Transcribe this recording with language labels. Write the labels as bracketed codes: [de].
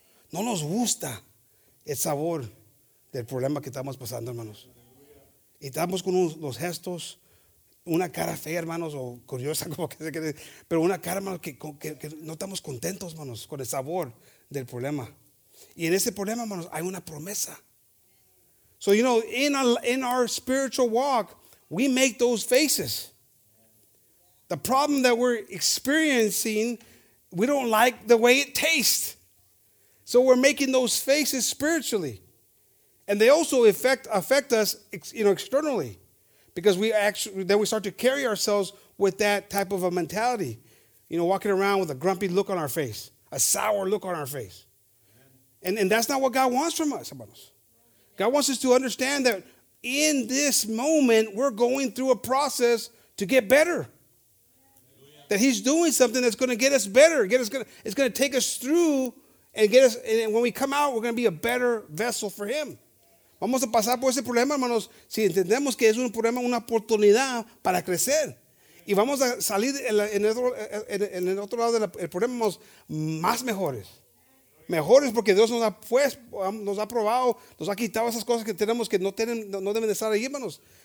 [es] No nos gusta el sabor del problema que estamos pasando, hermanos. Y estamos con los gestos, una cara fea, hermanos, o curiosa, como que se quede. Pero una cara, hermanos, que no estamos contentos, hermanos, con el sabor del problema. Y en ese problema, hermanos, hay una promesa. [en] So, you know, in our spiritual walk, we make those faces. The problem that we're experiencing, we don't like the way it tastes. So we're making those faces spiritually. And they also affect us, you know, externally. Because we start to carry ourselves with that type of a mentality. You know, walking around with a grumpy look on our face, a sour look on our face. And that's not what God wants from us. God wants us to understand that in this moment, we're going through a process to get better. That he's doing something that's going to get us better. It's going to take us through and get us. And when we come out, we're going to be a better vessel for him. [es] Vamos a pasar por ese problema, hermanos, si entendemos que es un problema, una oportunidad para crecer. Y vamos a salir en el otro lado del problema, hermanos, más mejores. Mejores porque Dios nos ha probado, nos ha quitado esas cosas que tenemos que no deben de estar ahí, hermanos.